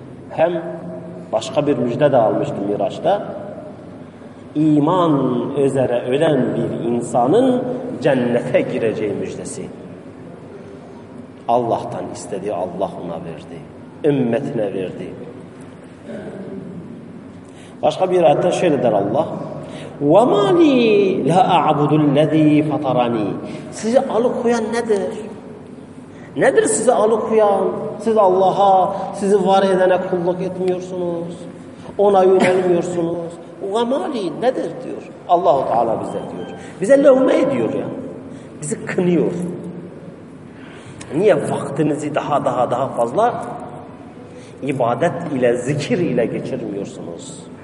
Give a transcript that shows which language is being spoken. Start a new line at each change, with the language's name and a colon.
Turkish: Hem başka bir müjde de almıştı Miraç'ta. İman üzere ölen bir insanın cennete gireceği müjdesi. Allah'tan istediği Allah ona verdi. Ümmetine verdi. Başka bir ayette şöyle der Allah.
Arabic: وَمَا لِي لَا أَعْبُدُ الَّذ۪ي فَطَرَن۪ي
Turkish: Sizi alıkoyan nedir? Nedir sizi alıkoyan? Siz Allah'a, sizi var edene kulluk etmiyorsunuz. Ona yönelmiyorsunuz.
Arabic: وَمَا لِي
Turkish: nedir diyor. Allah-u Teala bize diyor. Bize lövme ediyor yani. Bizi kınıyor. Niye vaktinizi daha fazla ibadet ile, zikir ile geçirmiyorsunuz?